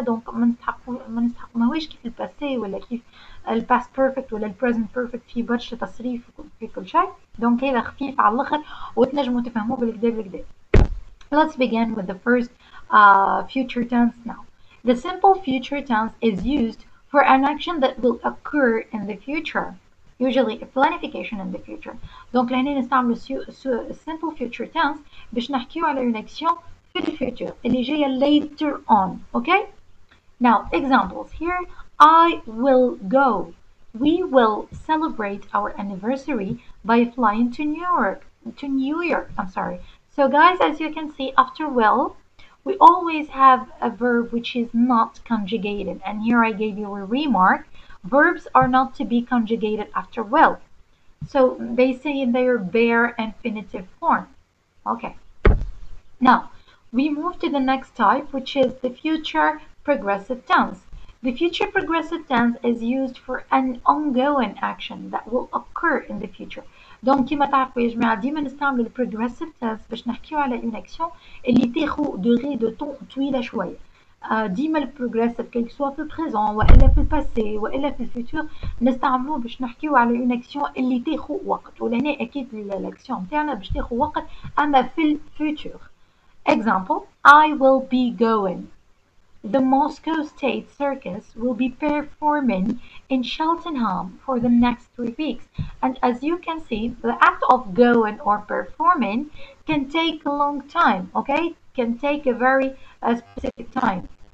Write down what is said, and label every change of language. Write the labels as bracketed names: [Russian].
[Arabic] دونك ما نستحق ماهوش كيف الباسي ولا كيف الباست بيرفكت ولا البريزنت بيرفكت في برشا تصريف في كل شيء. دونك هذا خفيف على الاخر وتنجموا تفهموه بالكدا بالكدا. [English] Let's begin with the first future tense now. The simple future tense is used for an action that will occur in the future, usually a planification in the future. [Arabic] Donc لهنا نستعمل [English] simple future tense [Arabic] باش نحكيو على [French] une action [Arabic] في [English] the future [Arabic] اللي جايه [English] later on. Okay, now examples here. I will go. We will celebrate our anniversary by flying to New York. I'm sorry. So guys, as you can see, after will we always have a verb which is not conjugated. And here I gave you a remark. Verbs are not to be conjugated after will. So they say in their bare infinitive form. Okay. Now, we move to the next type, which is the future progressive tense. The future progressive tense is used for an ongoing action that will occur in the future. [Arabic] Donc, كما تعرفوا يا جماعة ديما نستعمل البروجريسيف تنس باش نحكيو على اون اكسيون اللي تاخو [French] دوغي دو طون [Arabic] طويلة شوية. ديما البروجريسيف كيلك سوا في البريزون وإلا في الباسي وإلا في الفيتور نستعملوه باش نحكيو على اون اكسيون اللي تاخو وقت. ولهنا أكيد الأكسيون تاعنا باش تاخو وقت أما في الفيتور. [English] Example, I will be going. The Moscow State Circus will be performing in Cheltenham for the next 3 weeks. And as you can see, the act of going or performing can take a long time, okay? Can take a very specific time.